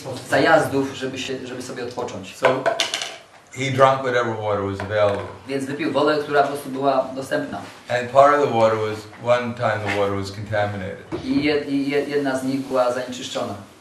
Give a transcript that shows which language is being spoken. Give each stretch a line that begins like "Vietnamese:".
Polish: Zajazdów, żeby sobie odpocząć.
English: So he drank whatever water was available.
Polish: Więc wypił wodę, która po prostu była dostępna.
English: And part of the water was one time the water was contaminated.
Polish: I jedna z nich była zanieczyszczona.